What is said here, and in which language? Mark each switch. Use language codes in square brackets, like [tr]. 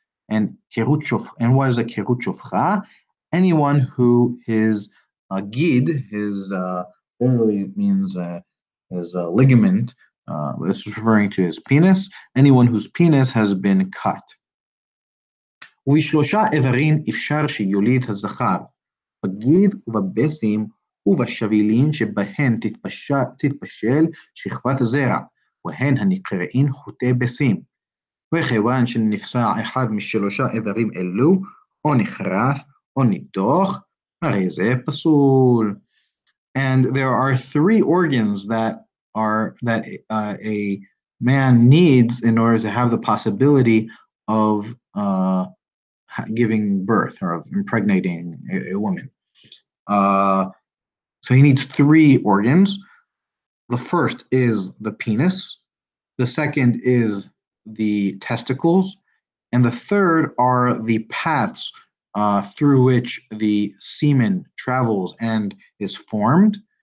[en] And what is a kirut shofcha? Anyone who his gid, his literally it means his ligament, this is referring to his penis, anyone whose penis has been cut. [he] Uvishlosha evarin ifshar sheyulid hazachar. בגיד ובבסים ובשבילין שבהן תתפשל שכבת הזרע, והן הנקראין חוטי בסים. וכיוון שנפסע אחד משלושה איברים אלו, או נחרף, או נידוח, הרי זה פסול. [en] And there are three organs that are that a man needs in order to have the possibility of giving birth or of impregnating a woman. So he needs three organs. The first is the penis, the second is the testicles, and the third are the paths through which the semen travels and is formed.